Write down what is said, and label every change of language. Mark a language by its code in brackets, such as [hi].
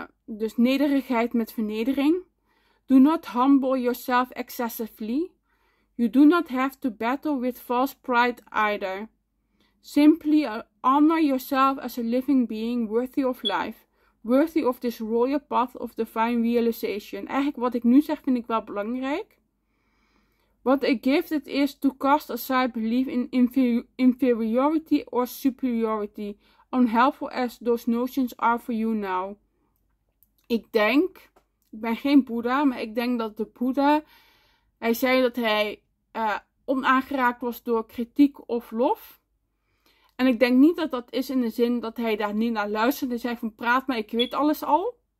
[nl] Dus nederigheid met vernedering. [en] Do not humble yourself excessively. You do not have to battle with false pride either. Simply honor yourself as a living being worthy of life. Worthy of this royal path of divine realization. [nl] Eigenlijk wat ik nu zeg vind ik wel belangrijk. [en] What a gift it is to cast aside belief in inferiority or superiority. Unhelpful as those notions are for you now. [nl] Ik denk, ik ben geen Boeddha, maar ik denk dat de Boeddha, hij zei dat hij onaangeraakt was door kritiek of lof. En ik denk niet dat dat is in de zin dat hij daar niet naar luisterde en zei van praat maar, ik weet alles al.